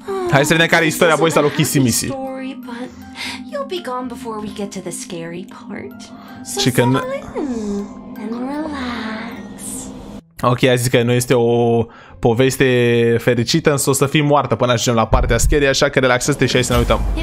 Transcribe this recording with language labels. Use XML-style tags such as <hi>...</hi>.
<ro>Hai să vedem care e istoria, boys, al-o Kissy Missy.</ro> <en>You'll be gone before we get to the scary part. So chicken. And relax.</en> <ro>Ok, a zis că nu este o poveste fericită, însă o să fii moartă până ajungem la partea scary, așa că relaxează-te și hai să ne uităm.</ro>